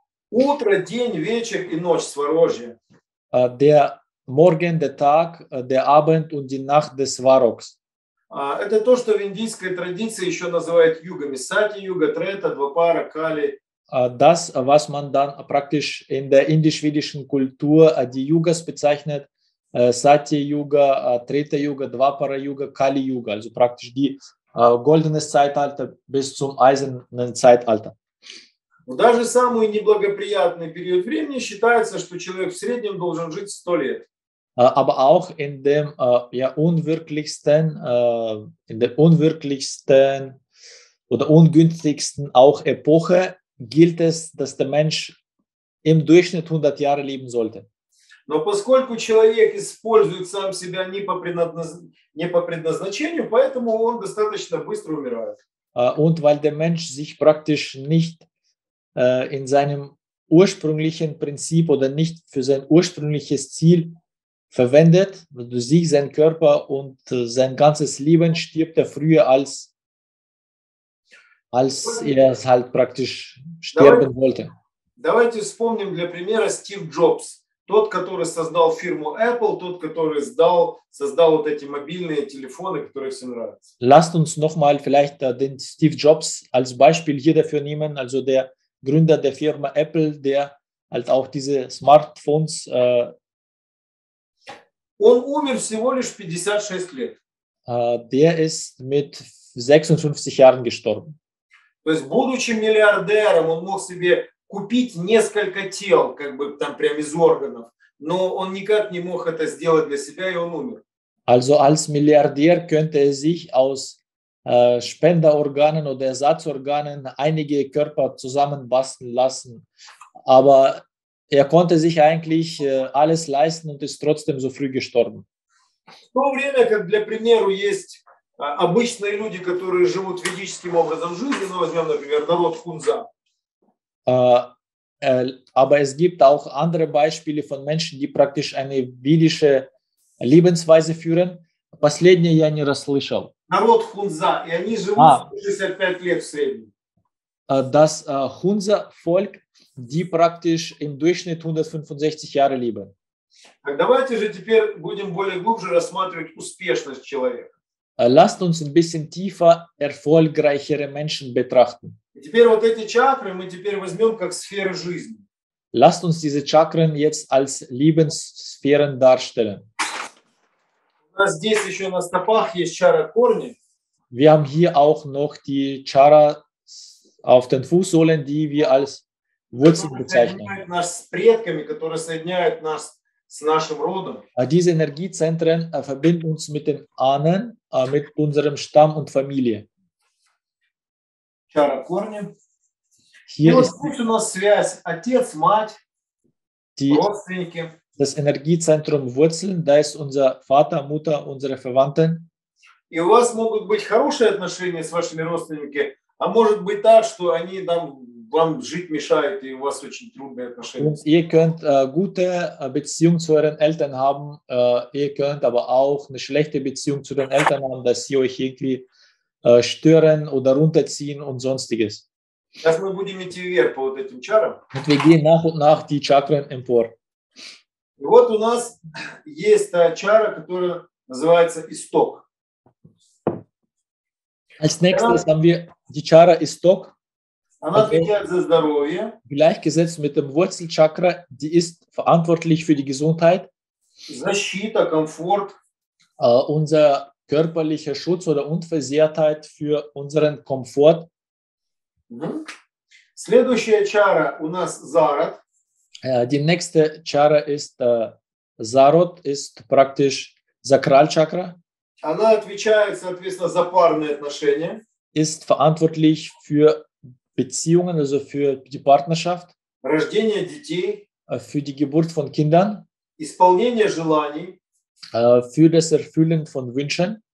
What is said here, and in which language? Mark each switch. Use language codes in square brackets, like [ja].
[ru] Утро, день, вечер и ночь, Сварожья. [de] Der Morgen, der Tag, der Abend und die Nacht des Svarogs. [ru] Это то, что в индийской традиции еще называют югами. Сати, юга, трета, двапара, кали. [de] Das, was man dann praktisch in der indisch-vedischen Kultur die Yugas bezeichnet, Satya-Yuga, Treta-Yuga, Dvapara-Yuga, Kali-Yuga, also praktisch die goldene Zeitalter bis zum eisernen Zeitalter. [ru] Даже самый неблагоприятный период времени считается, что человек в среднем должен жить 100 лет. [de] Aber auch in dem ja, unwirklichsten, in der unwirklichsten oder ungünstigsten auch Epoche gilt es, dass der Mensch im Durchschnitt 100 Jahre leben sollte. [ru] Но поскольку человек использует сам себя не по, не по предназначению, поэтому он достаточно быстро умирает. [de] Und weil der Mensch sich praktisch nicht in seinem ursprünglichen Prinzip oder nicht für sein ursprüngliches Ziel verwendet, durch sich sein Körper und sein ganzes Leben stirbt er früher, als, als er es halt praktisch sterben wollte. [ru] Давайте вспомним для примера Стив Джобс. Тот, который создал фирму Apple, тот, который сдал, создал вот эти мобильные телефоны, которые всем нравятся. [de] Lasst uns nochmal vielleicht den Steve Jobs als Beispiel hier dafür nehmen, also der Gründer der Firma Apple, der halt auch diese Smartphones... [ru] Он умер всего лишь 56 лет. [de] Der ist mit 56 Jahren gestorben. [ru] То есть, будучи миллиардером, он мог себе... купить несколько тел, как бы там прям из органов, но он никак не мог это сделать для себя, и он умер. [de] Also als Milliardär könnte er sich aus Spenderorganen oder Ersatzorganen einige Körper zusammenbasteln lassen, aber er konnte sich eigentlich alles leisten und ist trotzdem so früh gestorben. [ru] В то время, как для примеру есть обычные люди, которые живут ведическим образом жизни, ну возьмем, например, народ Хунза. [de] Aber es gibt auch andere Beispiele von Menschen, die praktisch eine biblische Lebensweise führen. [ru] Последнее я не расслышал. Народ Хунза, и они живут 65 лет в среднем. [de] Das Хунза-Volk, die praktisch im Durchschnitt 165 Jahre leben. [ru] Так давайте же теперь будем более глубже рассматривать успешность человека. [de] Lasst uns ein bisschen tiefer erfolgreichere Menschen betrachten. [ru] Теперь вот эти чакры мы теперь возьмем как сферы жизни. [de] Lasst uns diese Chakren jetzt als Lebenssphären darstellen. [ru] У нас здесь еще на стопах есть чара корни. [de] Wir haben hier auch noch die Chara auf den Fußsohlen, die wir als Wurzeln bezeichnen. [ru] Которые соединяют нас с предками, которые соединяют нас с нашим родом. [de] Diese Energiezentren verbinden uns mit den Ahnen, mit unserem Stamm und Familie. [ru] Чара корни. [de] Hier ist [ru] вот здесь у нас связь отец, мать, die, родственники. [de] Das Energiezentrum Wurzeln, da ist unser Vater, Mutter, unsere Verwandten. [ru] И у вас могут быть хорошие отношения с вашими родственниками, а может быть так, что они там вам жить мешают, и у вас очень трудные отношения. [de] Und ihr könnt gute Beziehung zu euren Eltern haben, ihr könnt aber auch eine schlechte Beziehung zu den Eltern haben, dass sie euch irgendwie stören oder runterziehen und sonstiges. [ru] Das мы будем идти вверх по вот этим чарам. [de] Und wir gehen nach und nach die Chakren empor. [ru] И вот у нас есть та чара, которая называется исток. [de] Als nächstes haben wir die Chakra исток. [ru] Она отвечает за здоровье. [de] Gleichgesetzt mit dem Wurzelchakra, die ist verantwortlich für die Gesundheit. [ru] Защита, комфорт. [de] Unser körperlicher Schutz oder Unversehrtheit für unseren Komfort. [ru] Следующая чара у нас Зарат. [de] Die nächste Chakra ist Зарат, ist praktisch Sakralchakra. [ru] Она отвечает, соответственно, за парные отношения. [de] Ist verantwortlich für Beziehungen, also für die Partnerschaft. [ru] Рождение детей. [de] Für die Geburt von Kindern. [ru] Исполнение желаний. [de] Für das Erfüllen von Wünschen.